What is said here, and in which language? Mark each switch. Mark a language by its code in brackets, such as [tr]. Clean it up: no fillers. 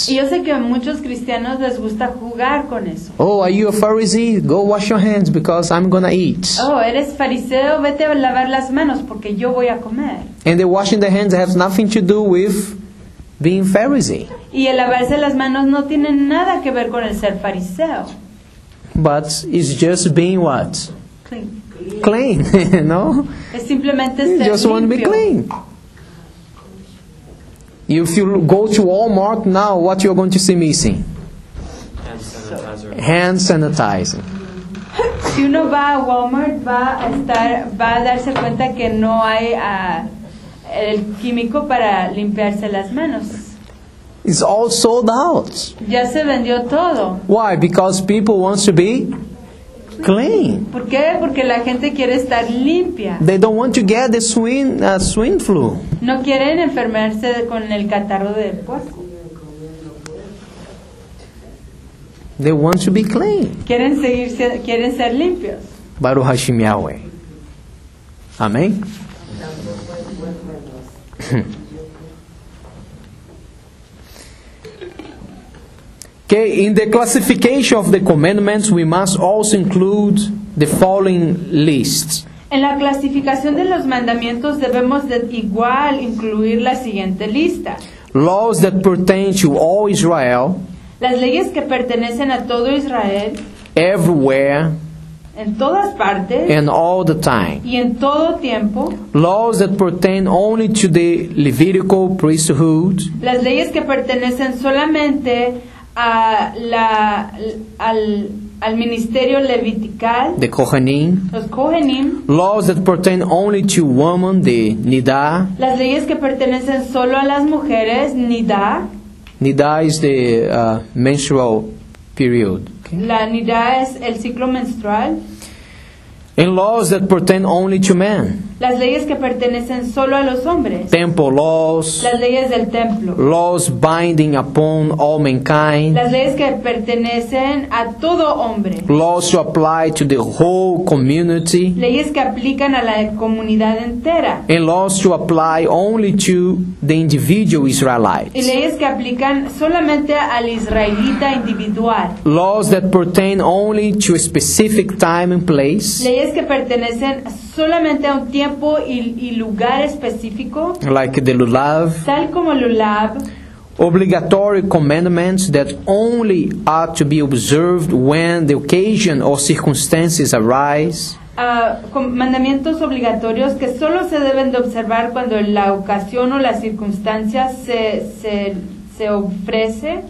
[es] Y yo sé que muchos cristianos les gusta jugar con eso. [en] Oh, are you a Pharisee? Go wash your hands because I'm gonna eat. [es] Oh, eres fariseo, vete a lavar las manos porque yo voy a comer. [en] And the washing the hands has nothing to do with being Pharisee. [es] Y el lavarse las manos no tiene nada que ver con el ser fariseo. [en] But it's just being what? Clean. Clean, no? [es] Es simplemente ser [en] limpio. You just want to be clean. If you go to Walmart now, what you're going to see missing? Yes. hand sanitizer. [es] Si uno va a Walmart, va a darse cuenta que no hay el químico para limpiarse las manos. [en] It's all sold out. [es] Ya se vendió todo. [en] Why? Because people want to be clean. [es] ¿Por qué? Porque la gente quiere estar limpia. [en] They don't want to get the swine flu. [es] No quieren enfermarse con el catarro del puerco. [en] They want to be clean. [es] Quieren ser limpios. [he] Baruch Hashem Yahweh. Amén. [en] Okay, in the classification of the commandments, we must also include the following lists. [es] En la clasificación de los mandamientos debemos de igual incluir la siguiente lista. [en] Laws that pertain to all Israel. [es] Las leyes que pertenecen a todo Israel. [en] Everywhere. [es] En todas partes. [en] And all the time. [es] Y en todo tiempo. [en] Laws that pertain only to the Levitical priesthood. [es] Las leyes que pertenecen solamente al ministerio levitical, [en] the Kohanim, [es] los Kohanim, [en] laws that pertain only to women, the Nida, [es] las leyes que pertenecen solo a las mujeres, Nida. [en] Nida is the menstrual period. Okay. [es] La Nida es el ciclo menstrual. [en] And laws that pertain only to men. [es] Las leyes que pertenecen solo a los hombres. [en] Temple laws. [es] Las leyes del templo. [en] Laws binding upon all mankind. [es] Las leyes que pertenecen a todo hombre. [en] Laws to apply to the whole community. [es] Leyes que aplican a la comunidad entera. [en] And laws to apply only to the individual Israelite. [es] Y leyes que aplican solamente al israelita individual. [en] Laws that pertain only to a specific time and place. [es] Leyes que pertenecen solamente a un tiempo y lugar específico, [en] like the lulav, [es] tal como lulav, [en] obligatory commandments that only are to be observed when the occasion or circumstances arise, [es] mandamientos obligatorios que solo se deben de observar cuando la ocasión o las circunstancias se ofrece,